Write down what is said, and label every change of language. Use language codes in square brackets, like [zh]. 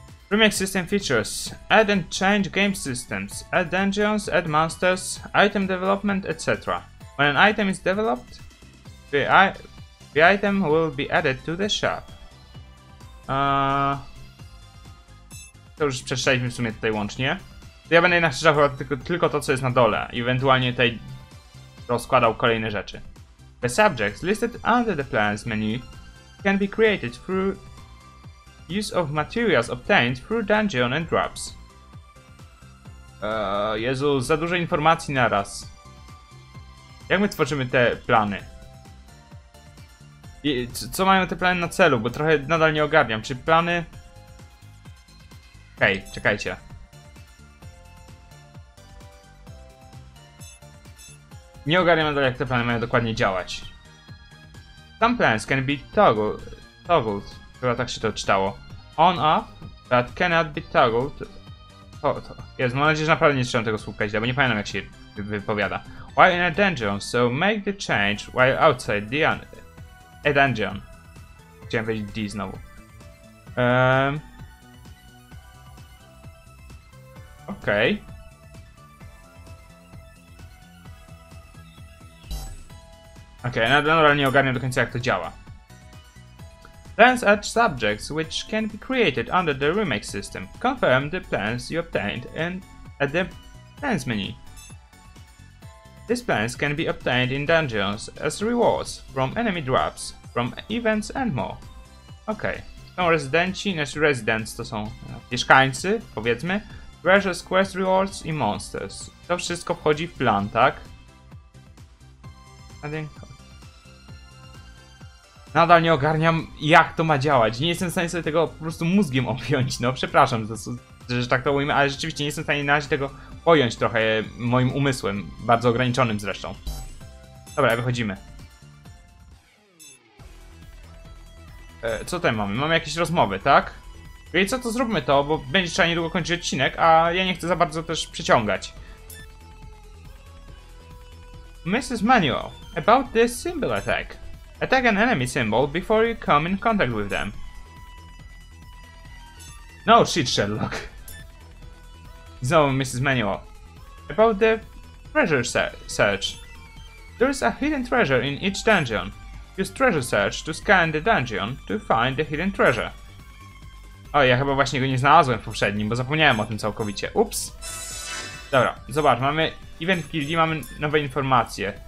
[en] Remake system features. Add and change game systems. Add dungeons, add monsters, item development, etc. When an item is developed, the item will be added to the shop. [pl] To już przeczytaliśmy w sumie tutaj łącznie. Ja będę jednak strzelał tylko to, co jest na dole. I ewentualnie tutaj rozkładał kolejne rzeczy. [en] The subjects listed under the plans menu can be created through use of materials obtained through dungeon and drops. [pl] Jezu, za dużo informacji na raz. Jak my tworzymy te plany? I co mają te plany na celu? Bo trochę nadal nie ogarniam. Czy plany... Hej, czekajcie. Nie ogarniam nadal, jak te plany mają dokładnie działać. [en] Some plans can be toggled. [pl] Chyba tak się to czytało. [en] On, off, but cannot be toggled. [pl] Jest, mam nadzieję, że naprawdę nie trzeba tego słupka źle, bo nie pamiętam, jak się wypowiada. [en] While in a dungeon, so make the change while outside the unit. A dungeon. [pl] Chciałem powiedzieć D znowu. Okej. Okej, okay, no, nadal nie ogarniam do końca, jak to działa. [en] Plans add subjects which can be created under the remake system. Confirm the plans you obtained and at the plans menu. These plans can be obtained in dungeons as rewards from enemy drops. From events and more. [pl] Okej. Okay. Są rezydenci, znaczy residents to są mieszkańcy, powiedzmy. [en] Treasures, quest rewards [pl] i monsters. To wszystko wchodzi w plan, tak? Nadal nie ogarniam, jak to ma działać. Nie jestem w stanie sobie tego po prostu mózgiem objąć. No przepraszam, że tak to ujmę, ale rzeczywiście nie jestem w stanie na razie tego pojąć trochę moim umysłem. Bardzo ograniczonym zresztą. Dobra, wychodzimy. Co tutaj mamy? Mamy jakieś rozmowy, tak? Więc co, to zróbmy to, bo będzie trzeba niedługo kończyć odcinek, a ja nie chcę za bardzo też przeciągać. [en] Mrs. Manuel, about this symbol attack. Attack an enemy symbol before you come in contact with them. No shit, Sherlock. Znowu Mrs. Manuel. About the treasure search. There is a hidden treasure in each dungeon. Use treasure search to scan the dungeon to find the hidden treasure. [pl] O, ja chyba właśnie go nie znalazłem w poprzednim, bo zapomniałem o tym całkowicie. Ups. Dobra, zobacz, mamy event guildii, mamy nowe informacje.